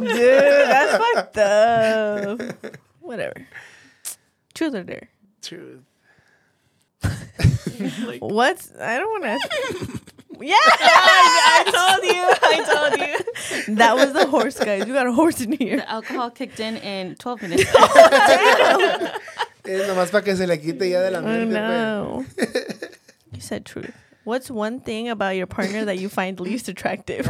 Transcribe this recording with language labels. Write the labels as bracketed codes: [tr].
[en] Dude, that's fucked up. Whatever. Truth or dare? Truth. What? I don't want to... Yeah, I told you. That was the horse, guys. You got a horse in here. The alcohol kicked in 12 minutes. [es] No más para que se le quite ya de la mente. [en] No. You said truth. What's one thing about your partner that you find least attractive?